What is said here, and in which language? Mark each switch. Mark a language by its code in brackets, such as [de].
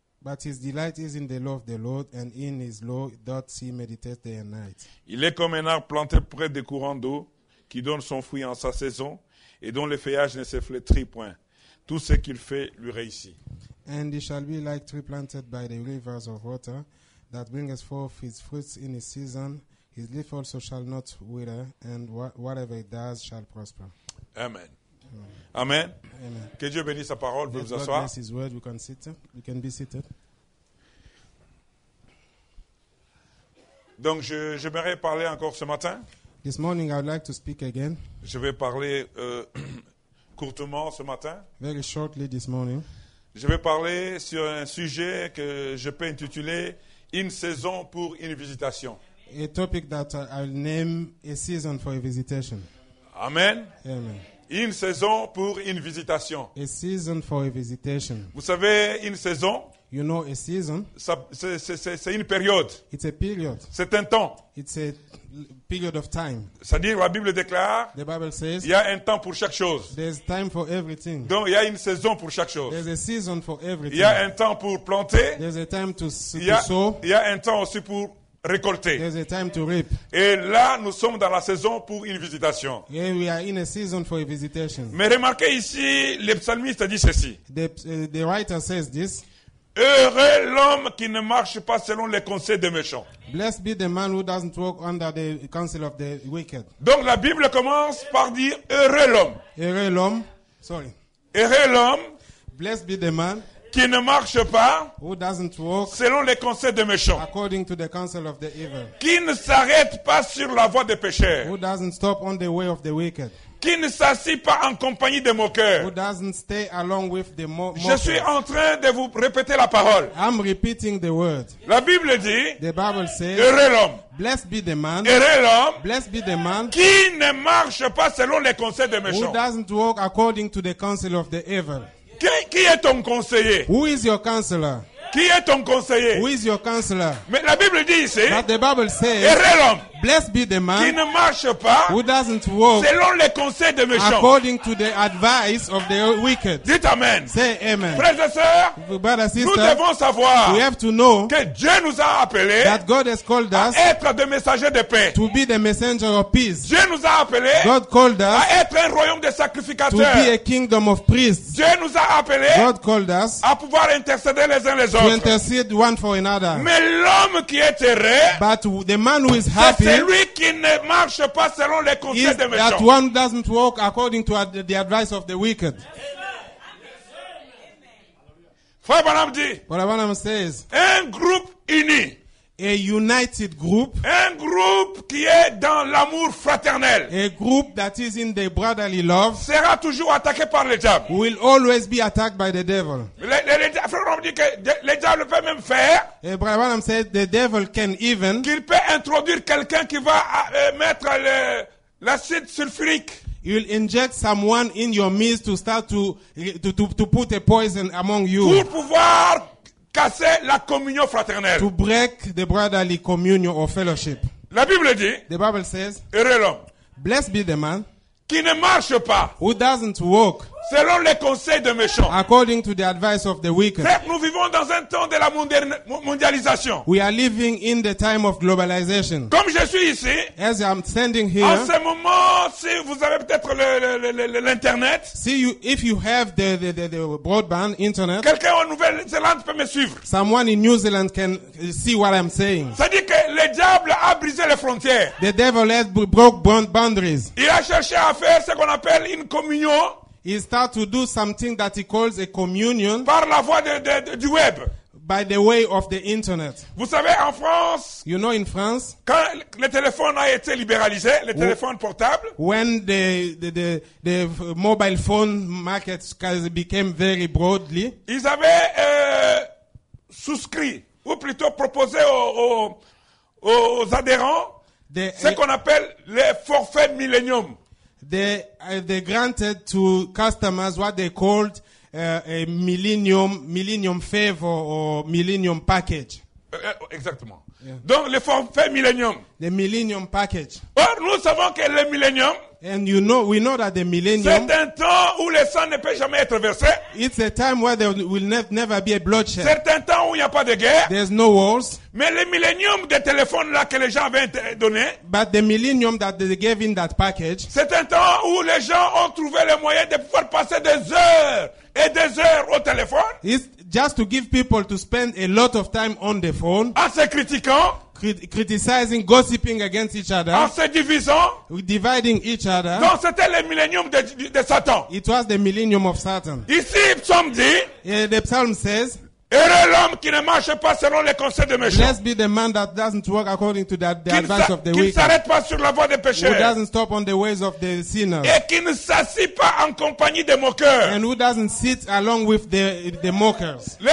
[en] But his delight is in the law of the Lord, and in his law doth he meditate day and night. [fr] Il est comme un arbre planté près des courants d'eau, qui donne son fruit en sa saison, et dont le feuillage ne se flétrit point. Tout ce qu'il fait lui réussit. [en] And he shall be like tree planted by the rivers of water, that bringeth forth his fruits in his season. His leaf also shall not wither, and whatever he does shall prosper. [fr] Amen. Amen. Amen. Que Dieu bénisse sa parole. Vous pouvez vous asseoir. [en] Word, we can sit. We can be seated. [fr] Donc, j'aimerais parler encore ce matin. [en] This morning, I would like to speak again. [fr] Je vais parler courtement ce matin. [en] Very shortly this morning. [fr] Je vais parler sur un sujet que je peux intituler une saison pour une visitation. [en] A topic that I'll name a season for a visitation. Amen. Amen. [fr] Une saison pour une visitation. [en] A season for a visitation. [fr] Vous savez, une saison. [en] You know a season. [fr] Ça, c'est une période. [en] It's a period. [fr] C'est un temps. [en] It's a period of time. [fr] C'est-à-dire, la Bible déclare. [en] The Bible says. [fr] Il y a un temps pour chaque chose. [en] There's time for everything. [fr] Donc, il y a une saison pour chaque chose. [en] There's a season for everything. [fr] Il y a un temps pour planter. [en] There's a time to sow. [fr] Il y a un temps aussi pour récolter. [en] There's a time to reap. [fr] Et là, nous sommes dans la saison pour une visitation. [en] Yeah, we are in a season for a visitation. [fr] Mais remarquez ici, le psalmiste dit ceci. [en] The writer says this. [fr] Heureux l'homme qui ne marche pas selon les conseils des méchants. [en] Blessed be the man who doesn't walk under the counsel of the wicked. [fr] Donc la Bible commence par dire heureux l'homme. Heureux l'homme. Sorry. Heureux l'homme. [en] Blessed be the man [fr] qui ne marche pas [en] who doesn't walk [fr] selon les conseils des méchants. [en] According to the counsel of the evil. [fr] Qui ne s'arrête pas sur la voie des pécheurs. [en] Who doesn't stop on the way of the wicked. [fr] Qui ne s'assied pas en compagnie des moqueurs. [en] Who doesn't stay along with the mockers. [fr] Je suis en train de vous répéter la parole. [en] I'm repeating the word. [fr] La Bible dit. [en] The Bible says. [fr] Heureux l'homme. [en] Blessed be the man. [fr] Heureux l'homme. [en] Blessed be the man. [fr] Qui ne marche pas selon les conseils des méchants. [en] Who doesn't walk according to the counsel of the evil. [fr] Qui est ton conseiller? [en] Who is your counselor? [fr] Qui est ton conseiller? [en] Who is your counselor? [fr] Mais la Bible dit ici. [en] But the Bible says. [fr] Heureux l'homme. [en] Blessed be the man [fr] qui ne marche pas [en] who doesn't walk [fr] selon les conseils des méchants. [en] According to the advice of the wicked. [fr] Dites amen. [en] Say amen. [fr] Frères et sœurs, [en] brother, sister, [fr] nous devons savoir [en] we have to know [fr] que Dieu nous a appelés [en] that God has called us [fr] à être des messagers de paix. [en] To be the messenger of peace. [fr] Dieu nous a appelés [en] God called us [fr] à être un royaume de sacrificateurs. [en] To be a kingdom of priests. [fr] Dieu nous a appelés [en] God called us [fr] à pouvoir intercéder les uns les autres. [en] To intercede one for another. [fr] Mais l'homme qui est heureux [en] but the man who is happy [fr] c'est lui qui ne marche pas selon les conseils des méchants. [en] That one doesn't walk according to the advice of the wicked. [fr] Frère Branham dit. [en] Frère Branham says. [fr] Un groupe uni. [en] A united group. [fr] Un groupe qui est dans l'amour fraternel. [en] A group that is in the brotherly love. [fr] Sera toujours attaqué par le diable. [en] Will always be attacked by the devil. [fr] Frère Branham dit que le diable peut même faire. [en] Et Brother Branham says the devil can even. [fr] Qu'il peut introduire quelqu'un qui va mettre l'acide sulfurique. [en] You'll inject someone in your midst to start to put a poison among you. [fr] Pour pouvoir casser la communion fraternelle. [en] To break the brotherly communion or fellowship. [fr] La Bible dit. [en] The Bible says. [fr] Heureux l'homme. [en] Blessed be the man. [fr] Qui ne marche pas. [en] Who doesn't walk. [fr] Selon les conseils de méchants. [en] According to the advice of the wicked. [fr] Frère, nous vivons dans un temps de la mondialisation. [en] We are living in the time of globalization. [fr] Comme je suis ici. [en] As I'm standing here. [fr] En ce moment, si vous avez peut-être l'internet. [en] See you, if you have the broadband internet. [fr] Quelqu'un en Nouvelle-Zélande peut me suivre. [en] Someone in New Zealand can see what I'm saying. [fr] Ça dit que le diable a brisé les frontières. [en] The devil has broke boundaries. [fr] Il a cherché à faire ce qu'on appelle une communion. [en] He start to do something that he calls a communion. [fr] Par la voie du web. [en] By the way of the internet. [fr] Vous savez, en France. [en] You know, in France. [fr] Quand le téléphone a été libéralisé, le téléphone portable. [en] When the mobile phone market became very broadly. [fr] Ils avaient souscrit ou plutôt proposé aux adhérents ce qu'on appelle les forfaits millennium. [en] They granted to customers what they called a millennium favor or millennium package. [fr] Exactement. Yeah. Donc le forfait millennium. [en] The millennium package. [fr] Or nous savons que le millennium. [en] And you know, we know that the millennium. [fr] C'est un temps où le sang ne peut jamais être versé. [en] It's a time where there will never be a bloodshed. [fr] C'est un temps où il n'y a pas de guerre. [en] There's no wars. [fr] Mais le millennium des téléphones là que les gens avaient donné. [en] But the millennium that they gave in that package. [fr] C'est un temps où les gens ont trouvé le moyen de pouvoir passer des heures et des heures au téléphone. [en] It's just to give people to spend a lot of time on the phone. [fr] En se critiquant. [en] Criticizing, gossiping against each other. [fr] En se divisant. [en] Dividing each other. [fr] Donc c'était le millennium de Satan. [en] It was the millennium of Satan. [fr] Ici, psaume dit. [en] The psalm says. [fr] Heureux l'homme qui ne marche pas selon les conseils de méchants. [en] Blessed be the man that doesn't walk according to the advice of the wicked. [fr] Qui ne s'arrête pas sur la voie des pécheurs. [en] Who doesn't stop on the ways of the sinners. [fr] Et qui ne s'assied pas en compagnie des moqueurs. [en] And who doesn't sit along with the mockers.